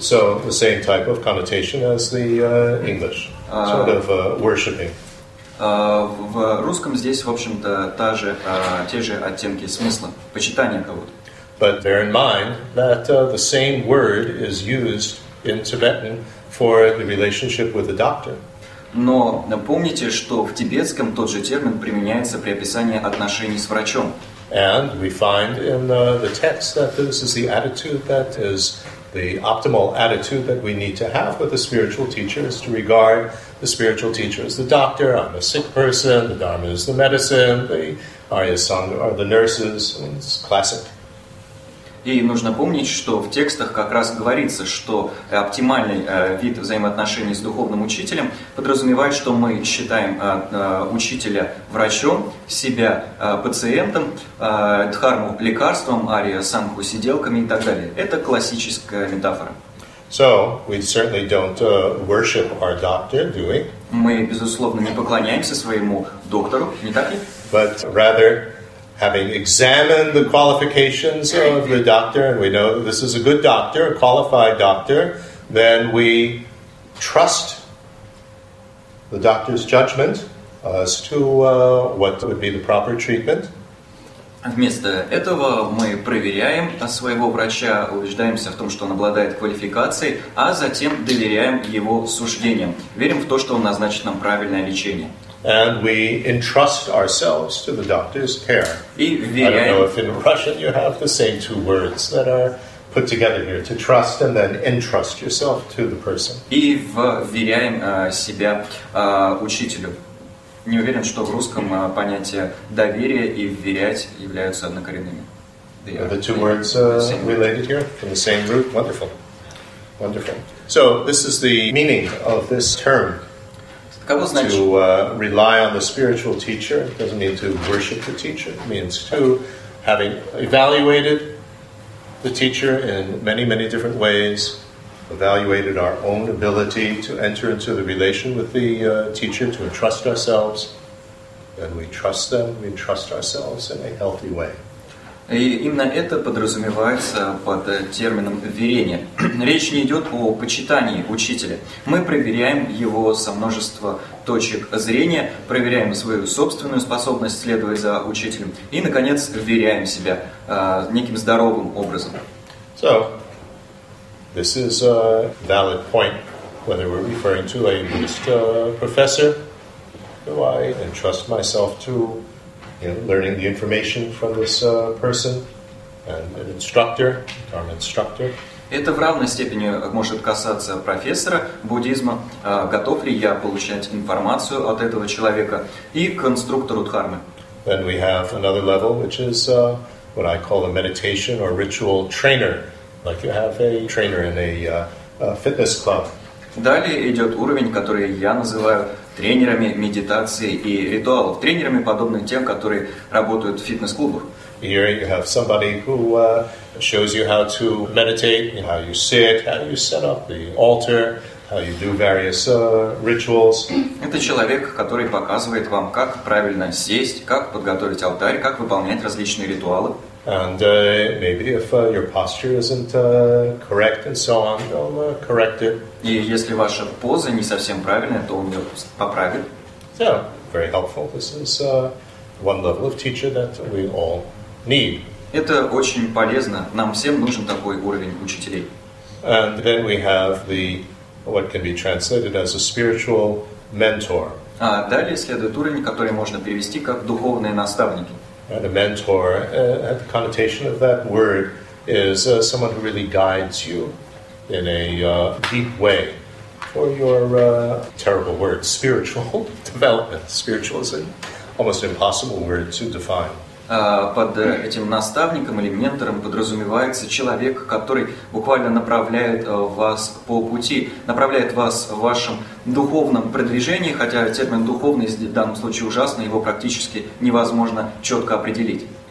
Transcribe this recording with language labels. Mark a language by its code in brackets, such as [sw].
[en] So, the same type of connotation as the English, sort of worshipping. [ru] В русском здесь, в общем-то, те же оттенки смысла, почитание кого-то. [en] But bear in mind that the same word is used in Tibetan for the relationship with the doctor. [ru] Но помните, что в тибетском тот же термин применяется при описании отношений с врачом. [en] And we find in the text that this is the attitude that is the optimal attitude that we need to have with the spiritual teacher is to regard the spiritual teacher as the doctor. I'm a sick person. The Dharma is the medicine. The Arya Sangha are the nurses. It's classic. [ru] И нужно помнить, что в текстах как раз говорится, что оптимальный вид взаимоотношений с духовным учителем подразумевает, что мы считаем учителя врачом, себя пациентом, дхарму – лекарством, ария – сангху – сиделками и так далее. Это классическая метафора. [en] So, we certainly don't worship our doctor, do we? [ru] Мы, безусловно, не поклоняемся своему доктору, не так ли? [en] But rather... Having examined the qualifications of the doctor, and we know this is a good doctor, a qualified doctor, then we trust the doctor's judgment as to what would be the proper treatment. [ru] Вместо этого мы проверяем своего врача, убеждаемся в том, что он обладает квалификацией, а затем доверяем его суждениям. Верим в то, что он назначит нам правильное лечение. [en] And we entrust ourselves to the doctor's care. [ru] И веряем. [en] I don't know if in Russian you have the same two words that are put together here, to trust and then entrust yourself to the person. [ru] И веряем себя учителю. Не уверен, что в русском понятие доверие и вверять являются однокоренными. [en] Are the two words related here from the same root? Wonderful. Wonderful. So this is the meaning of this term. To rely on the spiritual teacher doesn't mean to worship the teacher. It means to, having evaluated the teacher in many, many different ways, evaluated our own ability to enter into the relation with the teacher, to entrust ourselves, and we trust them, we entrust ourselves in a healthy way. [ru] И именно это подразумевается под термином верение. Речь не идет о почитании учителя. Мы проверяем его со множества точек зрения, проверяем свою собственную способность следовать за учителем и, наконец, вверяем себя неким здоровым образом. [en] So, this is a valid point, whether we're referring to a Buddhist professor, do I entrust myself to... You know, learning the information from this person, an instructor, Dharma instructor. [ru] Это в равной степени может касаться профессора буддизма. Готов ли я получать информацию от этого человека и к инструктору Дхармы? [en] Then we have another level, which is what I call a meditation or ritual trainer, like you have a trainer in a fitness club. [ru] Далее идет уровень, который я называю тренерами медитации и ритуалов, тренерами, подобных тем, которые работают в фитнес-клубах. [en] Here you have somebody who shows you how to meditate, how you sit, how you set up the altar, how you do various rituals. [ru] Это человек, который показывает вам, как правильно сесть, как подготовить алтарь, как выполнять различные ритуалы. [en] And maybe if your posture isn't correct and so on, they'll correct it. [ru] И если ваша поза не совсем правильная, то он ее поправит. [en] Yeah, very helpful. This is one level of teacher that we all need. [ru] Это очень полезно. Нам всем нужен такой уровень учителей. [en] And then we have the what can be translated as a spiritual mentor. [ru] А далее следует уровень, который можно перевести как духовные наставники. [en] And a mentor, the connotation of that word is someone who really guides you in a deep way for your terrible word, spiritual development. Spiritual is an almost impossible word to define. [ru] Под этим наставником или ментором подразумевается человек, который буквально направляет вас по пути, направляет вас в вашем духовном продвижении, хотя термин «духовный» в данном случае ужасный, его практически невозможно четко определить.